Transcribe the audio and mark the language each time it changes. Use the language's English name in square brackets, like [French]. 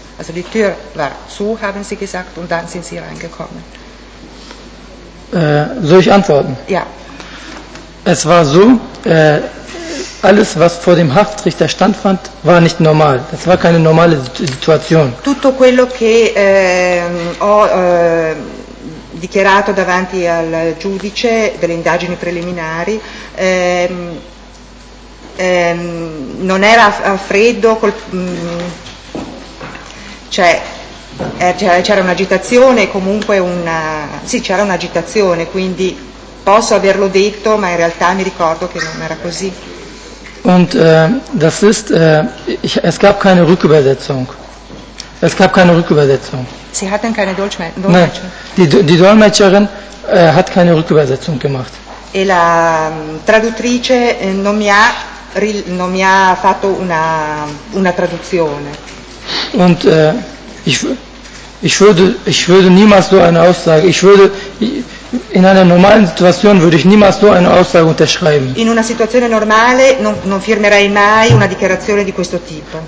[German] Also die Tür war zu, haben sie gesagt, und dann sind sie reingekommen. Soll ich antworten? Ja. Es war so, alles, was vor dem Haftrichter stattfand, war nicht normal. Das war keine normale Situation. [Italian] Tutto quello che ho dichiarato davanti al giudice delle indagini preliminari non era a freddo c'era un'agitazione, comunque c'era un'agitazione, quindi posso averlo detto, ma in realtà mi ricordo che non era così. [German] Und das ist es gab keine Rückübersetzung. Es gab keine Rückübersetzung. Sie hatten keine Dolmetscherin? Nein, die Dolmetscherin hat keine Rückübersetzung gemacht. [Italian] E la traduttrice non mi ha fatto una traduzione. [German] Und ich würde niemals so eine Aussage, in einer normalen Situation würde ich niemals so eine Aussage unterschreiben. [Italian] In una situazione normale non firmerei mai una dichiarazione di questo tipo.